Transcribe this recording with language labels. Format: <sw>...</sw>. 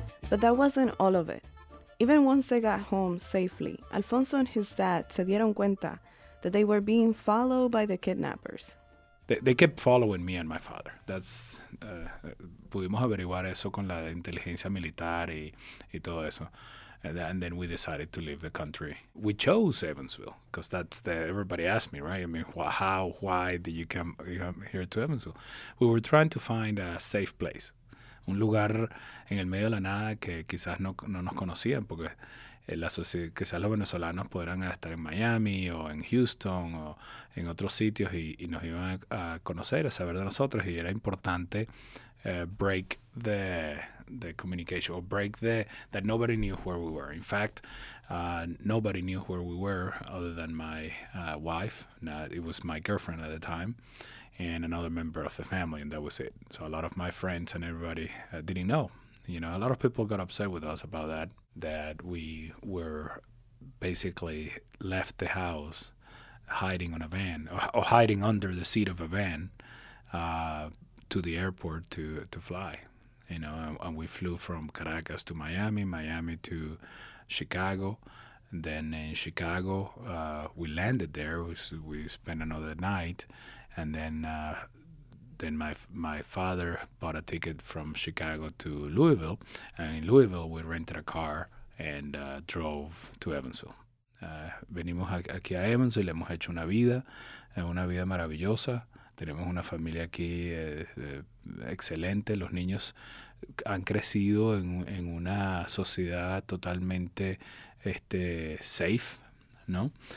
<en>But that wasn't all of it. Even once they got home safely, Alfonso and his dad</en> <es>se dieron cuenta</es> <en>that they were being followed by the kidnappers. They kept following me and my father.</en> <es>That's pudimos averiguar eso con la inteligencia militar y todo eso.</es> <en>And then we decided to leave the country. We chose Evansville because that's the, everybody asked me, right? I mean, why did you come here to Evansville? We were trying to find a safe place.</en> <es>Un lugar en el medio de la nada que quizás no nos conocían porque quizás los venezolanos podrán estar en Miami o en Houston o en otros sitios y nos iban a conocer, a saber de nosotros. Y era importante</es> <en>break the communication or break the, that nobody knew where we were. In fact, nobody knew where we were other than my wife. Now, it was my girlfriend at the time. And another member of the family, and that was it. So a lot of my friends and everybody didn't know. You know, a lot of people got upset with us about that, that we were basically left the house hiding on a van, or hiding under the seat of a van to the airport to fly. You know, and we flew from Caracas to Miami, Miami to Chicago. And then in Chicago, we landed there. We spent another night. And then my father bought a ticket from Chicago to Louisville, and in Louisville we rented a car and drove to Evansville.</en> <es>Venimos aquí a Evansville, hemos hecho una vida maravillosa. Tenemos una familia aquí excelente. Los niños han crecido en una sociedad totalmente safe, ¿no?</es>